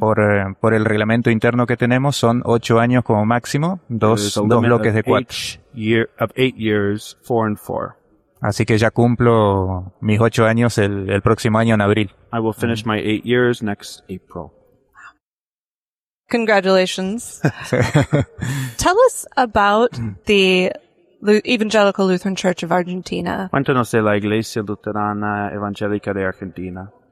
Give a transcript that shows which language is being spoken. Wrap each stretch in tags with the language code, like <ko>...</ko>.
<es>Por el reglamento interno que tenemos, son 8 años como máximo, dos bloques de 4.</es> <en>Of 8 years, 4 and 4.</en> <es>Así que ya cumplo mis 8 años el próximo año en abril.</es> <en>I will finish my 8 years next April. Congratulations. Tell us about the Evangelical Lutheran Church of Argentina.</en> <es>Cuéntanos de la Iglesia Luterana Evangélica de Argentina.</es>